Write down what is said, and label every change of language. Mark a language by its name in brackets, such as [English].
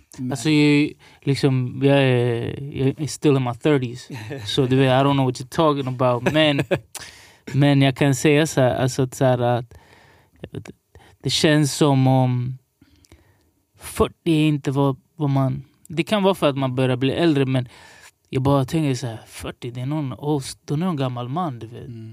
[Swedish] Alltså, liksom, jag är [English] still in my 30s. [Swedish] Så du vet, [English] I don't know what you're talking about. [Swedish] Men, men jag kan säga så här, alltså, så här, att det känns som om 40 är inte vad man... Det kan vara för att man börjar bli äldre, men jag bara tänker så här, 40, det är någon old, är någon gammal man, du vet.